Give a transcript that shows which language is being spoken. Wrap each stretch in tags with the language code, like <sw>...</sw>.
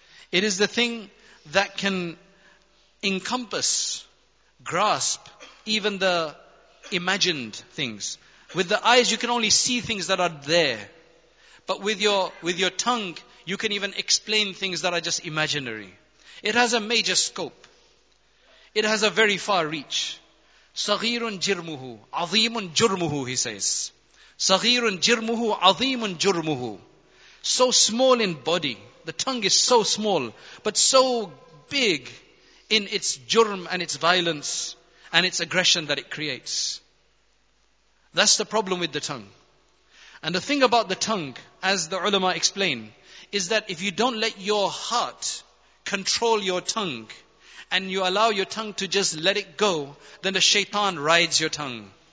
<en>It is the thing that can encompass, grasp, even the imagined things. With the eyes, you can only see things that are there. But with your tongue, you can even explain things that are just imaginary. It has a major scope. It has a very far reach.</en> <ar>صَغِيرٌ جِرْمُهُ عَظِيمٌ جُرْمُهُ,</ar> <en>he says.</en> <ar>صَغِيرٌ جِرْمُهُ عَظِيمٌ جُرْمُهُ.</ar> <en>So small in body. The tongue is so small, but so big in its jurm and its violence and its aggression that it creates. That's the problem with the tongue. And the thing about the tongue, as the ulama explain, is that if you don't let your heart control your tongue, and you allow your tongue to just let it go, then the shaitan rides your tongue.</en>